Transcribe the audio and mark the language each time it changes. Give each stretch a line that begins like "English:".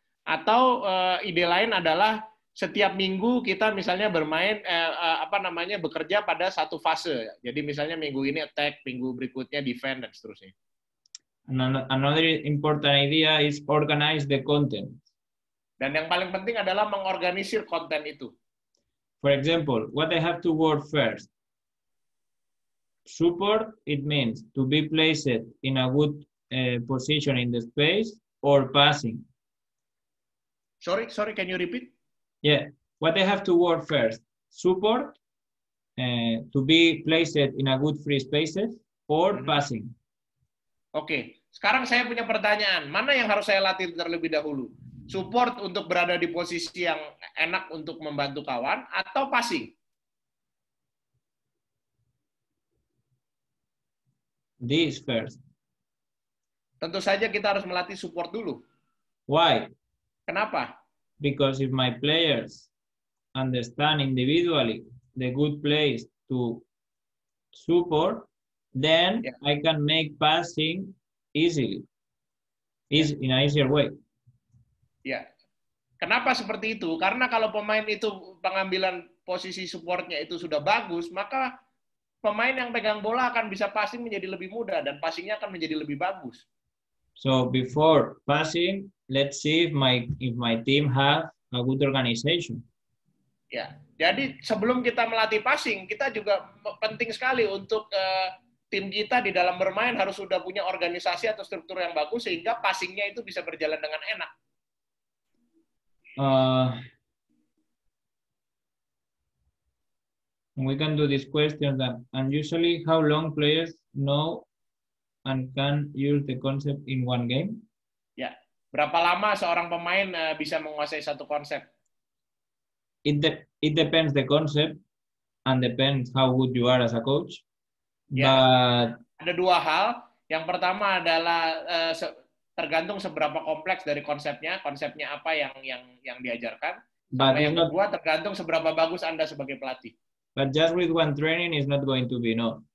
Indonesian: Atau ide lain adalah setiap minggu kita misalnya bermain bekerja pada satu fase. Jadi misalnya minggu ini attack, minggu berikutnya defend, dan seterusnya.
English: Another important idea is organize the content.
Indonesian: Dan yang paling penting adalah mengorganisir konten itu.
English: For example, what I have to work first. Support, it means to be placed in a good position in the space or passing. Sorry, can you repeat? Yeah, what I have to work first, support, to be placed in a good free spaces, or passing.
Indonesian: Okay, sekarang saya punya pertanyaan, mana yang harus saya latih terlebih dahulu? Support untuk berada di posisi yang enak untuk membantu kawan, atau passing?
English: This first.
Indonesian: Tentu saja kita harus melatih support dulu.
English: Why?
Indonesian: Kenapa?
English: Because if my players understand individually the good place to support, then I can make passing easily, in an easier way.
Indonesian: Yeah. Kenapa seperti itu? Karena kalau pemain itu pengambilan posisi supportnya itu sudah bagus, maka pemain yang pegang bola akan bisa passing menjadi lebih mudah dan passingnya akan menjadi lebih bagus.
English: So before passing, let's see if my team have a good organization.
Indonesian: Ya, jadi sebelum kita melatih passing, kita juga penting sekali untuk tim kita di dalam bermain harus sudah punya organisasi atau struktur yang bagus sehingga passingnya itu bisa berjalan dengan enak.
English: We can do this question then. And usually, how long players know and can use the concept in one game?
Indonesian: Ya, berapa lama seorang pemain bisa menguasai satu konsep?
English: It depends the concept and depends how good you are as a coach.
Indonesian: Ya. But ada dua hal. Yang pertama adalah tergantung seberapa kompleks dari konsepnya apa yang diajarkan. But yang kedua tergantung seberapa bagus Anda sebagai pelatih.
English: But just with one training is not going to be, no.